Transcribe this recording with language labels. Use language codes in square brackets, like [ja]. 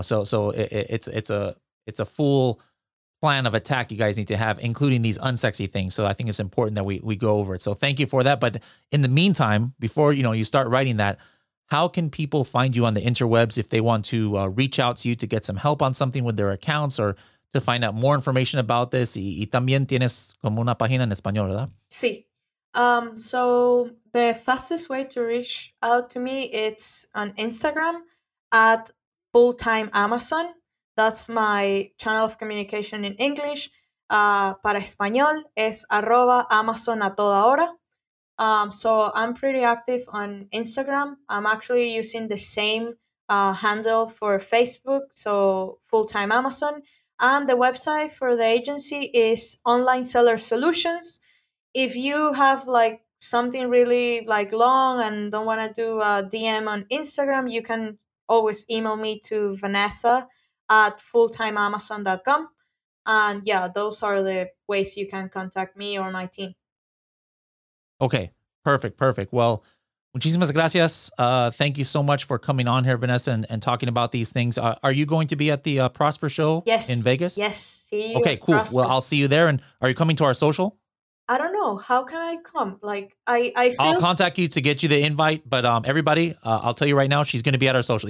[en] So it's a full plan of attack you guys need to have, including these unsexy things. So I think it's important that we go over it. So thank you for that. But in the meantime, before, you know, you start writing that, how can people find you on the interwebs if they want to reach out to you to get some help on something with their accounts or to find out more information about this? [es] Y también tienes como una página en español, ¿verdad? Sí. [en] So the fastest way to reach out to me, it's on Instagram at fulltimeamazon. That's my channel of communication in English. [es] Para español es @AmazonAtodaHora. [en] So I'm pretty active on Instagram. I'm actually using the same handle for Facebook, so Fulltime Amazon. And the website for the agency is Online Seller Solutions. If you have like something really like long and don't want to do a DM on Instagram, you can always email me to Vanessa@fulltimeamazon.com. And yeah, those are the ways you can contact me or my team. Okay, perfect, perfect. [es] Well, muchísimas gracias. [en] Thank you so much for coming on here, Vanessa, and talking about these things. Are you going to be at the Prosper Show in Vegas? Yes. See you. Okay, cool. Well, I'll see you there. And are you coming to our social? I don't know. How can I come? Like, I feel... I'll contact you to get you the invite. But everybody, I'll tell you right now, she's going to be at our social.